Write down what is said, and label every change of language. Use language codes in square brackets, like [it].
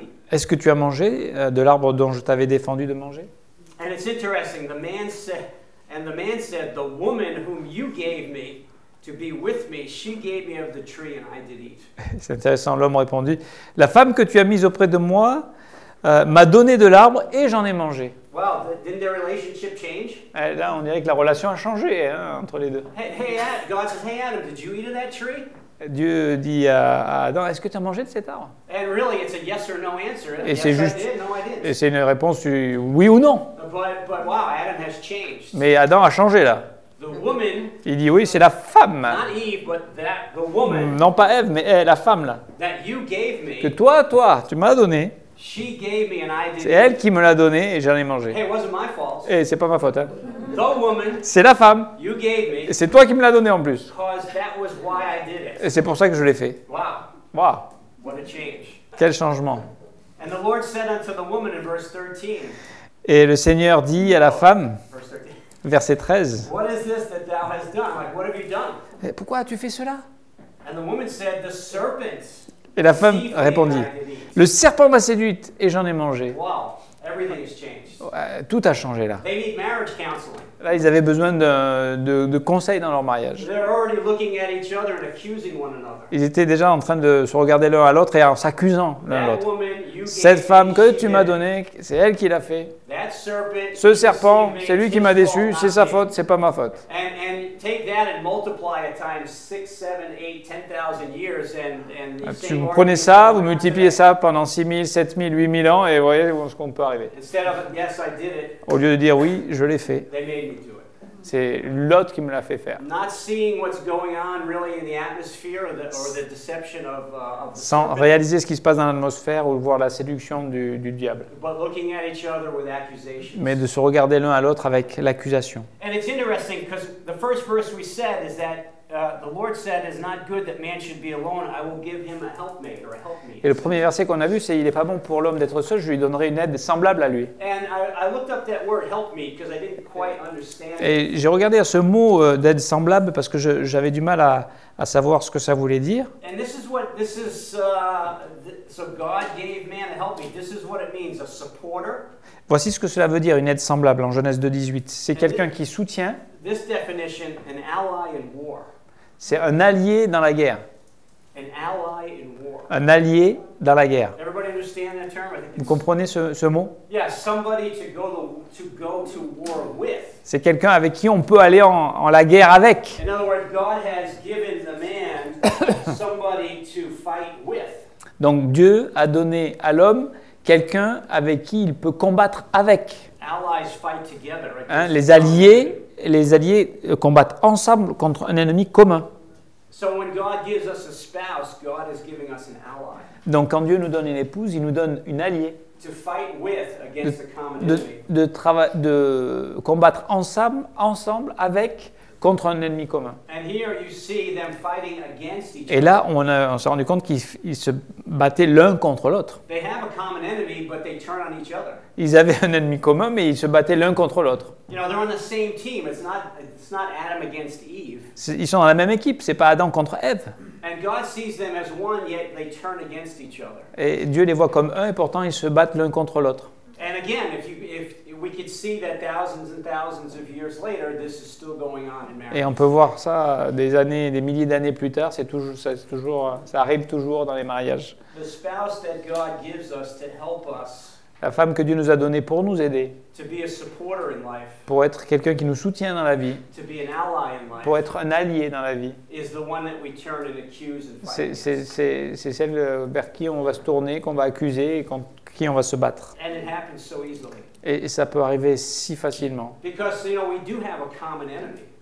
[fr] Est-ce que tu as mangé de l'arbre dont je t'avais défendu de manger? [en] And it's interesting, the man said, and the man said, the woman whom you gave me to be with me, she gave me of the tree and I did eat. [fr] C'est intéressant, l'homme répondit, la femme que tu as mise auprès de moi m'a donné de l'arbre et j'en ai mangé. [en] Wow, didn't their relationship change? [fr] Et là, on dirait que la relation a changé hein, entre les deux. [en] Hey Adam, did you eat of that tree? [fr] Dieu dit à Adam, est-ce que tu as mangé de cet arbre? [en] And really, it's a yes or no answer. [fr] Et [en] yes, [fr] c'est juste, [en] I did, no, I didn't. [fr] Et c'est une réponse oui ou non. [en] But wow, Adam has changed. [fr] Mais Adam a changé là. [en] The woman, [fr] il dit oui, c'est la femme. [en] Not Eve, but that, the woman, [fr] non pas Eve, mais la femme là. [en] That you gave me, [fr] que toi, tu m'as donné. [en] She gave me an idea. [fr] C'est elle qui me l'a donné et j'en ai mangé. [en] Hey, it wasn't my fault. [fr] Et c'est pas ma faute. Hein. [en] The woman, [fr] c'est la femme. [en] You gave me, [fr] et c'est toi qui me l'a donné en plus. [en] Because that was why I did it. [fr] Et c'est pour ça que je l'ai fait. Wow. Wow. [en] What a change. [fr] Quel changement. [en] And the Lord said unto the woman in verse 13, [fr] et le Seigneur dit à la femme, verset 13, [en] what is this that thou hast done? Like, what have you done? [fr] Pourquoi as-tu fait cela? [en] And the woman said, the serpent. [fr] Et la femme répondit, le serpent m'a séduite et j'en ai mangé. [en] Wow, everything has changed. [fr] Ouais, tout a changé là. [en] They need marriage counseling. [fr] Là, ils avaient besoin de conseils dans leur mariage. [en] They're already looking at each other and accusing one another. [fr] Ils étaient déjà en train de se regarder l'un à l'autre et en s'accusant l'un à l'autre. [en] Woman, [fr] cette femme que tu m'as donnée, c'est elle qui l'a fait. [en] That serpent, [fr] ce serpent, c'est lui qui m'a déçu, c'est sa faute, c'est pas ma faute. [en] And take that and multiply it times 6, 7, 8, 10,000 years and [fr] si vous prenez ça, vous multipliez ça pendant 6 000, 7 000, 8 000 ans et vous voyez où est-ce qu'on peut arriver. [en] Instead of, yes, I did it, [fr] au lieu de dire oui, je l'ai fait. [en] They made me do it. [fr] C'est l'autre qui me l'a fait faire. [en] Not seeing what's going on really in the atmosphere or the deception of the serpent. [fr] Sans réaliser ce qui se passe dans l'atmosphère ou voir la séduction du diable. [en] But looking at each other with accusations. [fr] Mais de se regarder l'un à l'autre avec l'accusation. [en] And it's interesting because the first verse we said is that the Lord said it's not good that man should be alone. I will give him a helpmate or a helpmeet. [fr] Et le premier verset qu'on a vu, c'est il n'est pas bon pour l'homme d'être seul. Je lui donnerai une aide semblable à lui. [en] And I looked up that word helpmeet because I didn't quite understand. [fr] Et j'ai regardé à ce mot d'aide semblable parce que j'avais du mal à savoir ce que ça voulait dire. [en] And this is what this is. So God gave man a helpmeet. This is what it means, a supporter. [fr] Voici ce que cela veut dire une aide semblable en Genèse 2:18. C'est quelqu'un qui soutient. [en] This definition, an ally in war. [fr] C'est un allié dans la guerre. [en] An ally in war. [fr] Un allié dans la guerre. [en] Everybody understand that term? I think [fr] vous comprenez ce mot? [en] Yeah, somebody to go to war with. [fr] C'est quelqu'un avec qui on peut aller en la guerre avec. [en] In other words, God has given the man somebody to fight with. [fr] Donc Dieu a donné à l'homme quelqu'un avec qui il peut combattre avec. [en] Allies fight together. [fr] Hein, les alliés combattent ensemble contre un ennemi commun. [en] So when God gives us a spouse, God is giving us an ally. [fr] Donc quand Dieu nous donne une épouse, il nous donne une alliée. [en] To fight with against the common enemy. [fr] De combattre ensemble avec contre un ennemi commun. [en] And here you see them fighting against each other. [fr] Et là, on s'est rendu compte qu'ils se battaient l'un contre l'autre. [en] They have a common enemy, but they turn on each other. [fr] Ils avaient un ennemi commun, mais ils se battaient l'un contre l'autre. [en] You know, they're on the same team. It's not Adam against Eve. [fr] Ils sont dans la même équipe, c'est pas Adam contre Ève. [en] And God sees them as one, yet they turn against each other. [fr] Et Dieu les voit comme un, et pourtant ils se battent l'un contre l'autre. [en] And again, we could see that thousands and thousands of years later, this is still going on in marriage. [fr] Et on peut voir ça des années, des milliers d'années plus tard. C'est toujours, ça arrive toujours dans les mariages. [en] The spouse that God gives us to help us. [fr] La femme que Dieu nous a donnée pour nous aider. [en] To be a supporter in life. [fr] Pour être quelqu'un qui nous soutient dans la vie. [en] To be an ally in life. [fr] Pour être un allié dans la vie. [en] Is the one that we turn and accuse and fight. [fr] C'est celle vers qui on va se tourner, qu'on va accuser, et qui on va se battre. [en] And it happens so easily. [fr] Et ça peut arriver si facilement. [en] Because, you know, we do have a common enemy.